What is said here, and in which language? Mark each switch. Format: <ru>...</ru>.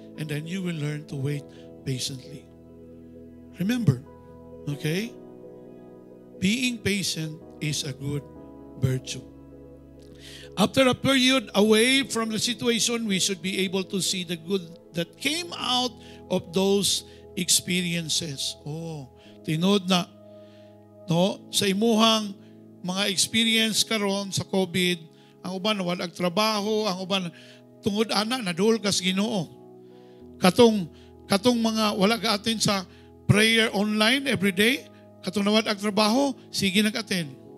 <en>And then you will learn to wait patiently. Remember, okay? Being patient is a good virtue. After a period away from the situation, we should be able to see the good that came out of those experiences.</en> <ceb>Oh, tinod na, no? Sa imuhang mga experience karon sa COVID, ang uban wala ang trabaho, ang uban tungod ana naduol ka sa Ginoo. Katong mga wala ka atin sa</ceb> <en>prayer online every day,</en> <ceb>katong nawad ang trabaho, sige nag-attend.</ceb>